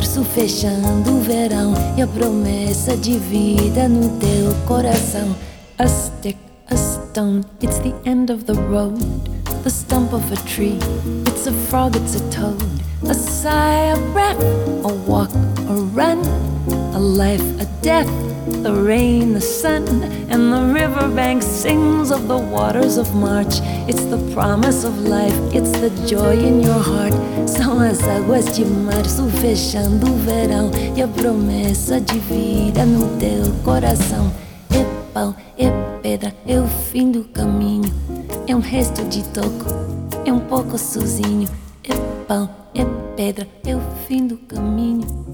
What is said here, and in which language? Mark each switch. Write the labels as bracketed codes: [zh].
[pt] Fechando o verão e a promessa de vida no teu coração. [en] A stick, a stone, it's the end of the road. The stump of a tree, it's a frog, it's a toad. A sigh, a breath, a walk, a run. A life, a death, the rain, the sun. And the riverbank sings of the waters of March. It's the promise of life, it's the joy in your heart. [pt] São as águas de março fechando o verão e a promessa de vida no teu coração. É pau, é pedra, é o fim do caminho. É um resto de toco, é um pouco sozinho. É pau, é pedra, é o fim do caminho.